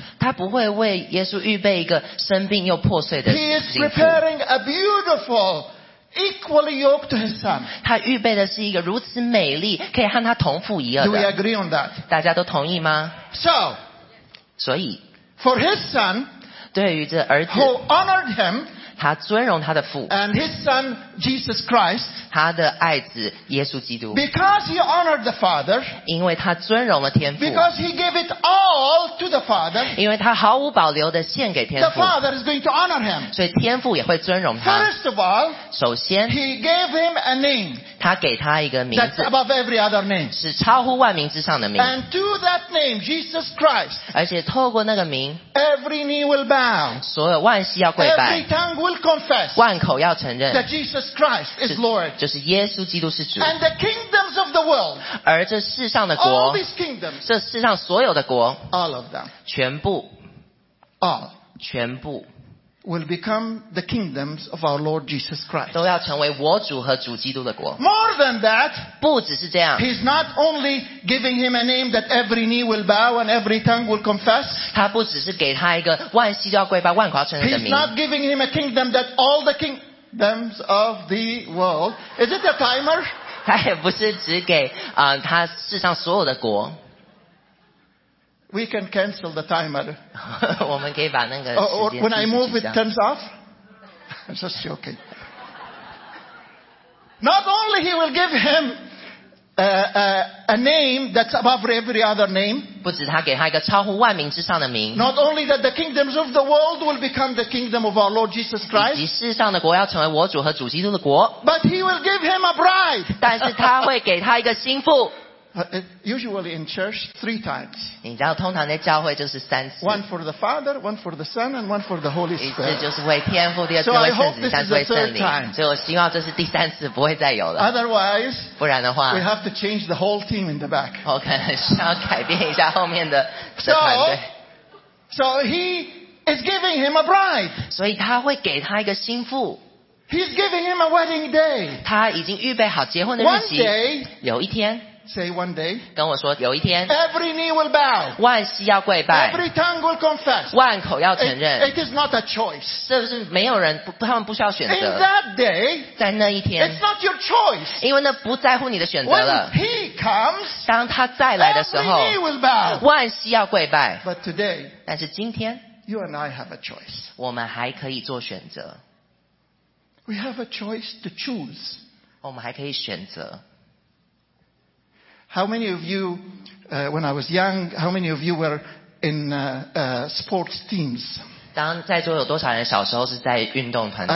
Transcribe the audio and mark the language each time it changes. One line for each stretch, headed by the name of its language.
Chinese: 他不会为耶稣预备一个生病又破碎的媳妇。
English: He is preparing a beautiful equally yoked to his son.
Chinese: 他预备的是一个如此美丽，可以和他同父一儿的。
English: Do we agree on that?
Chinese: 大家都同意吗
English: ？So,
Chinese: 所以
English: for his son,
Chinese: 对于这儿子
English: who honored him,
Chinese: 他尊荣他的父
English: and his son Jesus Christ,
Chinese: 他的爱子耶稣基督
English: because he honored the father,
Chinese: 因为他尊荣了天父
English: because he gave it all to the father,
Chinese: 因为他毫无保留的献给天父
English: the father is going to honor him,
Chinese: 所以天父也会尊荣他
English: first of all,
Chinese: 首先
English: he gave him a name,
Chinese: 他给他一个名字
English: that's above every other name,
Chinese: 是超乎万名之上的名
English: and to that name, Jesus Christ,
Chinese: 而且透过那个名
English: every knee will bow,
Chinese: 所有万膝要跪拜
English: every tongue will confess,
Chinese: 万口要承认
English: that JesusChrist is Lord.
Chinese: 就是耶稣基督是主。
English: And the kingdoms of the world.
Chinese: 而这世上的国。
English: All these kingdoms.
Chinese: 这世上所有的国。
English: All of them.
Chinese: 全部。
English: All.
Chinese: 全部。
English: Will become the kingdoms of our Lord Jesus Christ.
Chinese: 都要成为我主和主基督的国。
English: More than that.
Chinese: 不只是这样。
English: He's not only giving him a name that every knee will bow and every tongue will confess.
Chinese: 他不只是给他一个万膝都要跪拜万口要承认的名。
English: He's not giving him a kingdom that all the kingdoms. Thems of the world. Is it a timer?
Chinese: 他也不是只给他世上所有的国。
English: We can cancel the timer.
Chinese: 我们可以把那个时间计时器掉。
English: When I move, it turns off. I'm just joking. Not only he will give him a name that's above every other name.
Chinese: 不只他给他一个超乎万名之上的名。
English: Not only that the kingdoms of the world will become the kingdom of our Lord Jesus Christ.
Chinese: 以及世上的国要成为我主和主基督的国。
English: But he will give him a bride.
Chinese: 但是他会给他一个新妇。
English: Usually in church, three times.
Chinese: 你知道，通常在教会就是三次。
English: One for the Father, one for the Son, and one for the Holy Spirit.
Chinese: 一次就是为天父、第二次为圣子、第三次为圣灵。所以我希望这是第三次，不会再有了。
English: Otherwise,
Chinese: 不然的话
English: we have to change the whole team in the back.
Chinese: 我可能需要改变一下后面的团队。
English: So he is giving him a bride.
Chinese: 所以他会给他一个新妇。
English: He's giving him a wedding day.
Chinese: 他已经预备好结婚的日期。
English: One day,
Chinese: 有一天。
English: Say one day.
Chinese: 跟我说有一天。
English: Every knee will bow.
Chinese: 万膝要跪拜。
English: Every tongue will confess.
Chinese: 万口要承认。
English: It is not a choice.
Chinese: 是不是没有人他们不需要选择。
English: In that day.
Chinese: 在那一天。
English: It's not your choice.
Chinese: 因为那不在乎你的选择了。
English: When he comes.
Chinese: 当他再来的时候。
English: Every knee will bow.
Chinese: 万膝要跪拜。
English: But today.
Chinese: 但是今天。
English: You and I have a choice.
Chinese: 我们还可以做选择。
English: We have a choice to choose.
Chinese: 我们还可以选择。
English: How many of you, when I was young, how many of you were in sports teams?
Chinese: 当在座有多少人小时候是在运动团队